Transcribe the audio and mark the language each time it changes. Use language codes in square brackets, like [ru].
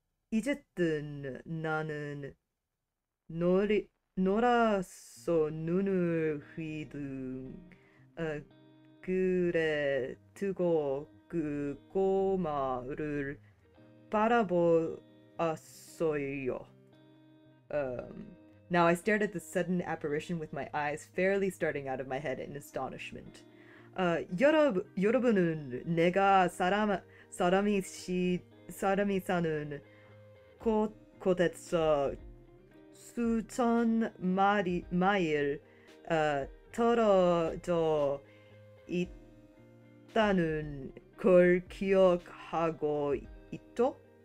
[ko] 이제든 나는 놀아서 눈을 휘둥 그래 두고 그 꼬마를 바라보았어요. [en] Now I stared at the sudden apparition with my eyes fairly starting out of my head in astonishment. [ko] 여러분은 내가 사람이 사는 곳에서 수천 마일 떨어져 있다는 걸 기억하고 있죠?